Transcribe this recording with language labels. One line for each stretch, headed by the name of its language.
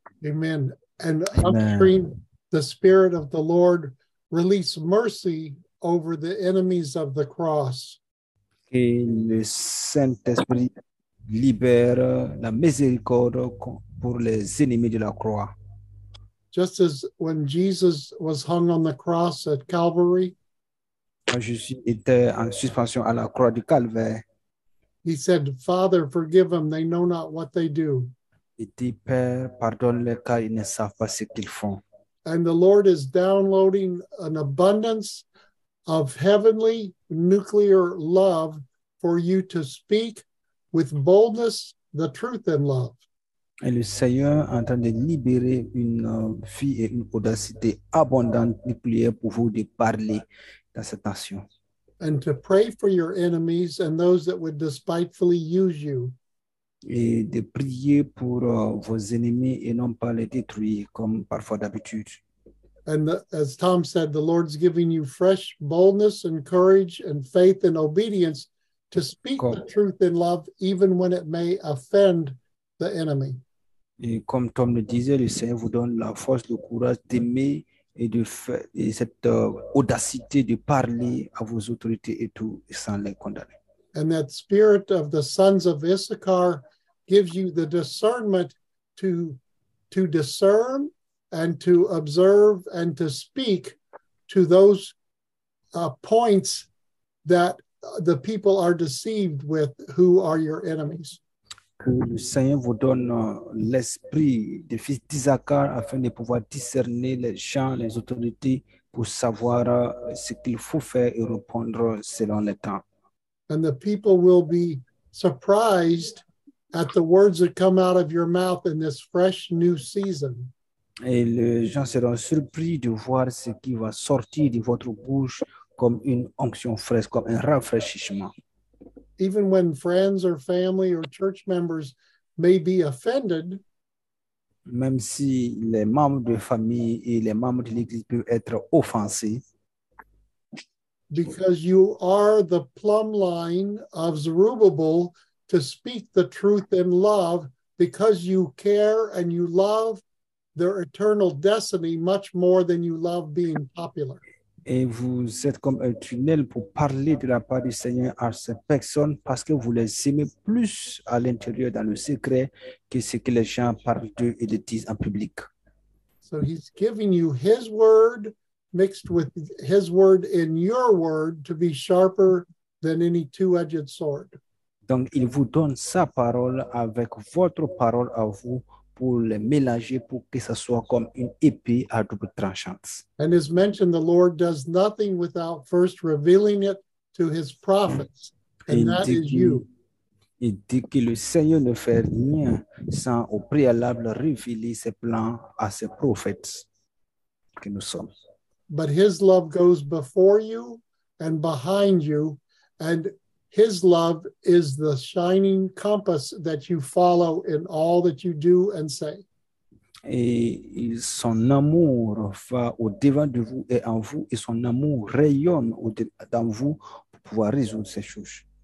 English: Amen. And upstream, the Spirit of the Lord release mercy over the enemies of the cross.
French: Et le Saint-Esprit libère la miséricorde pour les ennemis de la croix.
English: Just as when Jesus was hung on the cross at Calvary.
French: Quand Jésus était en suspension à la croix du Calvaire.
English: He said, Father, forgive them. They know not what they do.
French: Il dit, Père, pardonne-les car ils ne savent pas ce qu'ils font.
English: And the Lord is downloading an abundance of heavenly nuclear love for you to speak with boldness the truth in love.
French: Et le Seigneur est en train de libérer une vie et une audacité abondante nucléaire pour vous de parler dans cette nation.
English: And to pray for your enemies and those that would despitefully use you.
French: Et de prier pour vos ennemis et non pas les détruire comme parfois d'habitude.
English: And as Tom said, the Lord's giving you fresh boldness and courage and faith and obedience to speak the truth in love, even when it may offend the enemy.
French: Et comme Tom le disait, le Seigneur vous donne la force, le courage d'aimer. Et de faire cette audacité de parler à vos autorités et tout sans les condamner.
English: And that spirit of the sons of Issachar gives you the discernment to discern and to observe and to speak to those points that the people are deceived with who are your enemies.
French: Que le Seigneur vous donne l'esprit des fils d'Issachar afin de pouvoir discerner les gens, les autorités, pour savoir ce qu'il faut faire et répondre selon le temps.
English: And the people will be surprised at the words that come out of your mouth in this fresh new season.
French: Et les gens seront surpris de voir ce qui va sortir de votre bouche comme une onction fraîche, comme un rafraîchissement.
English: Even when friends or family or church members may be offended,
French: même si les membres de famille et les membres de l'église peuvent être offensés,
English: because you are the plumb line of Zerubbabel to speak the truth in love, because you care and you love their eternal destiny much more than you love being popular.
French: Et vous êtes comme un tunnel pour parler de la part du Seigneur à ces personnes parce que vous les aimez plus à l'intérieur dans le secret que ce que les gens parlent d'eux et le disent en public.
English: So he's giving you his word mixed with his word in your word to be sharper than any two-edged sword.
French: Donc il vous donne sa parole avec votre parole à vous pour les mélanger pour que ça soit comme une épée à double tranchante.
English: And as mentioned, the Lord does nothing without first revealing it to his prophets, and that is you.
French: Il dit que le Seigneur ne fait rien sans au préalable révéler ses plans à ses prophètes que nous sommes.
English: But his love goes before you and behind you, and his love is the shining compass that you follow in all that you do and say.
French: Et son amour va au devant de vous et en vous, et son amour rayonne dans vous pour pouvoir résoudre ces choses.